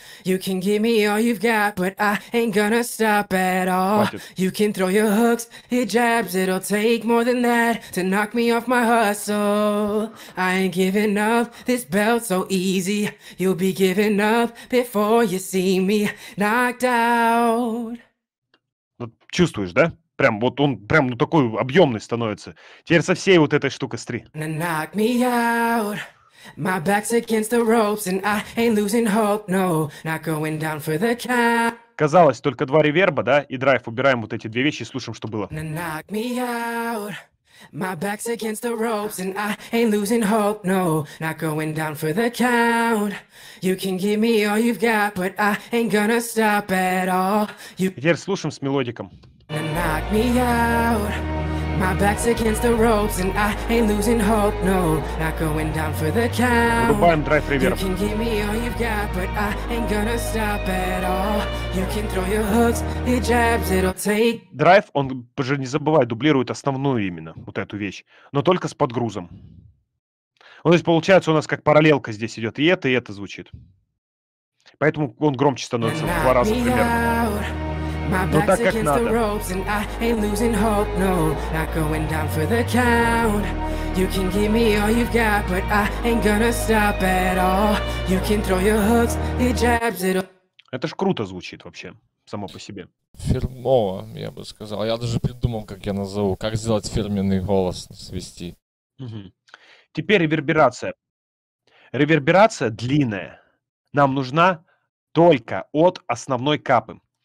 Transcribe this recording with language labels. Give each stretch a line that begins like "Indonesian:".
English: You can give me all you've got, but I ain't gonna stop at all. You can throw your hooks, your jabs. It'll take more than that to knock me off my hustle. I ain't giving up this belt so easy. You'll be giving up before you see me knocked out.
Russian: Чувствуешь, да? Прям вот он прям ну, такой объемный становится. Теперь со всей вот этой штукой с три.
English: Knock me out. My back's against the ropes and I ain't losing hope. No, not going down for the count.
Russian: Казалось, только два реверба, да, и драйв. Убираем вот эти две вещи и слушаем, что было.
English: Knock me out. My back's against the ropes and I ain't losing hope. No, not going down for the count. You can give me all you've got, but I ain't gonna stop at all. You...
Russian: Теперь слушаем с мелодиком.
English: Knock me out. My back's against the ropes and I ain't losing hope. No, not going down for the count.
Russian: Вырубаем драйв реверб.
English: You can give me all you've got, but I ain't gonna stop at all. You can throw your hooks, your jabs, it'll take...
Russian: Драйв, он же не забывай, дублирует основную именно, вот эту вещь, но только с подгрузом. Вот здесь получается у нас как параллелка здесь идет, и это звучит. Поэтому он громче становится в два раза примерно.
English: Out. My back's against the ropes and I ain't losing hope, no, not going down for the count. You can give me all you've got, but I ain't gonna stop at all. You can throw your hooks, your jabs, it'll...
Russian: Это ж круто звучит вообще, само по себе. Фирмово, я бы сказал. Я даже придумал, как я назову, как сделать фирменный голос свести. Угу. Теперь реверберация. Реверберация длинная. Нам нужна только от основной капы.